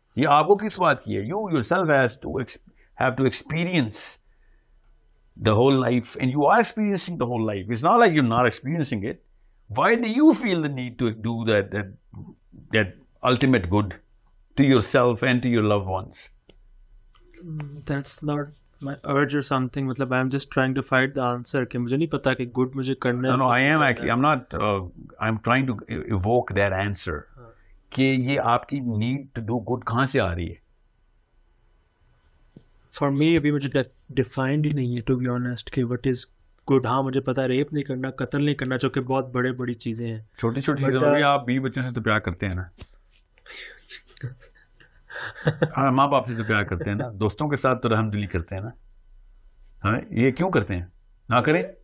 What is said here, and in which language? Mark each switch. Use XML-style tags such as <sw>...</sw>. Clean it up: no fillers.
<ur>یہ آپ کو کس بات کی ہے؟</ur> <en>You yourself has to have to experience the whole life, and you are experiencing the whole life, it's not like you not experiencing it. Why do you feel the need to do that ultimate good to yourself and to your love ones? That's not my urge or something. مطلب I'm just trying to find the answer.</en> <ur>کہ مجھے نہیں پتا کہ good مجھے کرنا ہے.</ur> <en>No, I am actually. I'm not. I'm trying to evoke that answer.</en> <ur>کہ یہ آپ کی</ur> <en>need to do good</en> <ur>کہاں سے آ رہی ہے؟</ur> <en>For me,</en> <ur>ابھی مجھے defined ہی نہیں ہے,</ur> <en>to be honest. کہ what is good?</en> <ur>ہاں مجھے پتا ہے ریپ نہیں کرنا, قتل نہیں کرنا, جو کہ بہت بڑے بڑی چیزیں ہیں. چھوٹی چھوٹی چیزوں میں آپ بیوی بچوں سے تو پیار کرتے ہیں نا, ماں باپ سے تو پیار کرتے ہیں نا, دوستوں کے ساتھ تو رحم دلی کرتے ہیں نا, ہاں یہ کیوں کرتے ہیں؟ نہ کریں.</ur>